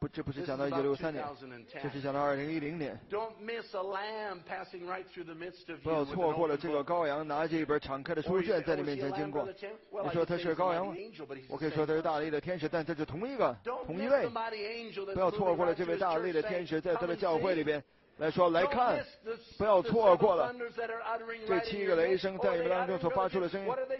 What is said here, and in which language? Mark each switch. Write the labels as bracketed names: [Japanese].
[Chinese] 这不是讲到1963年，这是讲到2010年。 [English] Don't miss a lamb passing right through the midst of you. [Chinese] 不要错过了这个羔羊拿着一本敞开的书卷在你面前经过。你说他是羔羊吗？我可以说他是大力的天使，但这是同一位。不要错过了这位大力的天使在他的教会里边。来说来看，不要错过了这七个雷声在你们当中所发出的声音。